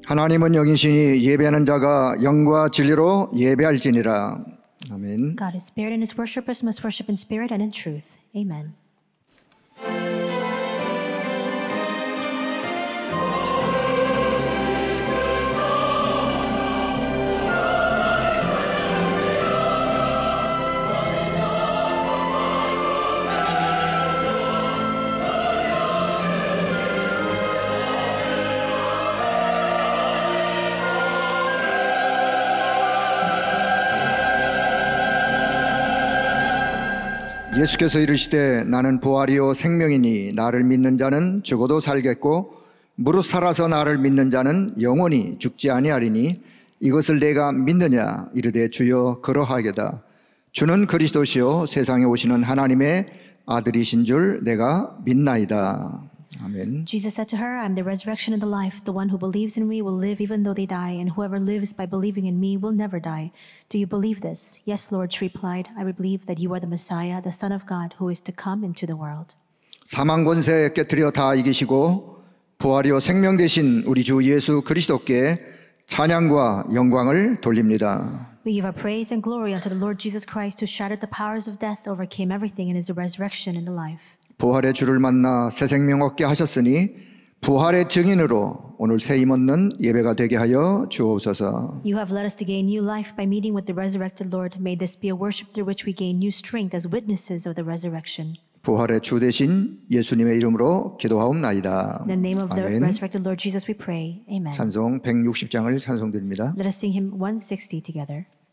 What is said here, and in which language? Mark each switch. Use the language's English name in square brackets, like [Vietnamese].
[Korean] 하나님은 영이시니 예배하는 자가 영과 진리로 예배할지니라. 아멘. [English] God is spirit and his worshippers must worship in spirit and in truth. Amen. [Korean] 예수께서 이르시되 나는 부활이요 생명이니 나를 믿는 자는 죽어도 살겠고 무릇 살아서 나를 믿는 자는 영원히 죽지 아니하리니 이것을 내가 믿느냐 이르되 주여 그러하게다. 주는 그리스도시요 세상에 오시는 하나님의 아들이신 줄 내가 믿나이다. 아멘. [English] Jesus said to her, I am the resurrection and the life. The one who believes in me will live even though they die, and whoever lives by believing in me will never die. Do you believe this? Yes, Lord, she replied. I believe that you are the Messiah, the Son of God, who is to come into the world. [Korean] 사망 권세 깨뜨려 다 이기시고 부활이요 생명 되신 우리 주 예수 그리스도께 찬양과 영광을 돌립니다. [English] We give our praise and glory unto the Lord Jesus Christ, who shattered the powers of death, overcame everything, and is the resurrection and the life. [Korean] 부활의 주를 만나 새 생명 얻게 하셨으니 부활의 증인으로 오늘 새 힘 얻는 예배가 되게 하여 주옵소서. [English] You have led us to gain new life by meeting with the resurrected Lord. May this be a worship through which we gain new strength as witnesses of the resurrection. [Korean] 부활의 주 되신 예수님의 이름으로 기도하옵나이다. [English] In the name of the resurrected Lord Jesus we pray. Amen. [Korean] 찬송 160장을 찬송드립니다. [English] Let us sing hymn 160 together.